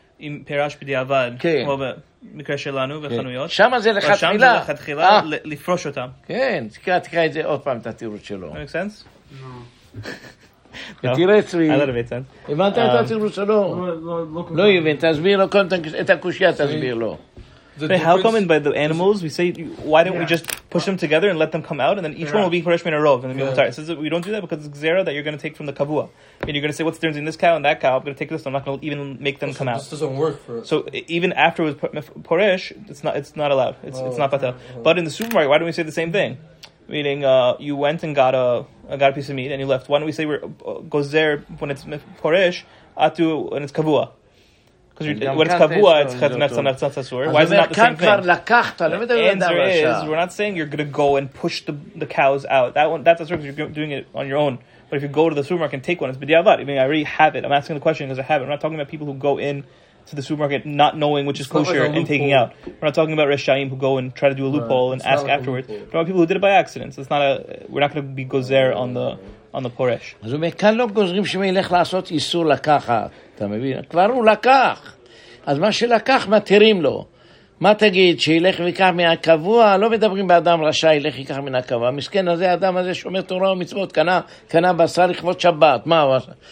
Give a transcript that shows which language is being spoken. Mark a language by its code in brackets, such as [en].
[he] עם פירש בדיעבד, כמו במקרה שלנו וחנויות. שם זה לחתחילה. שם זה לחתחילה לפרוש אותם. כן, תקרא את זה עוד פעם, את התירוץ שלו. [en] Make sense? [he] ותראה אצלי, הבנת את התירוץ שלו? לא הבנת, תסביר לו, את הקושיה תסביר לו. [en] But how come in by the animals, we say, why don't we just push them together and let them come out, and then each one will be Horesh Minarov, and then we'll start. It says that we don't do that because it's Gzera that you're going to take from the Kavua. And you're going to say, what's the difference in this cow and that cow? I'm going to take this, I'm not going to even make them come out. This doesn't work for us. So even after it was Horesh, it's not allowed. It's not Patel. But in the supermarket, why don't we say the same thing? Meaning, you went and got a piece of meat, and you left. Why don't we say we're Gzera when it's Horesh, Atu when it's Kavua? Because when it's kavua, it's chetnetz and chetnetz asur. Why is it not the same thing? The answer is, we're not saying you're going to go and push the cows out. That one, that's asur because you're doing it on your own. But if you go to the supermarket and take one, it's bidiavad. I mean, I already have it. I'm asking the question because I have it. I'm not talking about people who go in to the supermarket not knowing which is kosher and taking out. We're not talking about reshaim who go and try to do a loophole and ask afterwards. We're talking about people who did it by accident. So it's not we're not going to be gozer on the poresh. [he] אז הוא אומר, כאן לא גוזרים שמי ילך לעשות איסור לקחת, אתה מבין? כבר הוא לקח. אז מה שלקח, מתירים לו. מה תגיד, שילך ויקח מהקבוע? לא מדברים באדם רשע, ילך ויקח מן הקבוע. המסכן הזה, האדם הזה שומר תורה ומצוות, קנה בשר לכבוד שבת. מה הוא עשה?